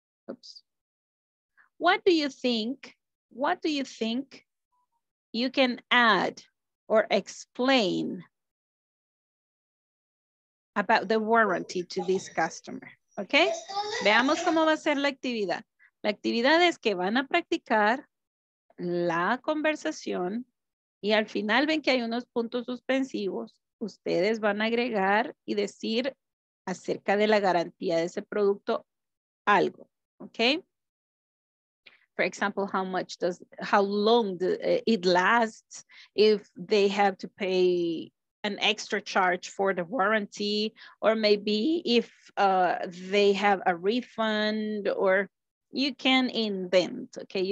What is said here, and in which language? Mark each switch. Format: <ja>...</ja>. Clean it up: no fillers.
<en>Oops. What do you think you can add or explain about the warranty to this customer, okay?</en> <es>Veamos cómo va a ser la actividad. La actividad es que van a practicar la conversación y al final ven que hay unos puntos suspensivos, ustedes van a agregar y decir acerca de la garantía de ese producto algo, okay?</es> <en>For example, how long it lasts, if they have to pay an extra charge for the warranty, or maybe if they have a refund, or you can invent, okay?</en>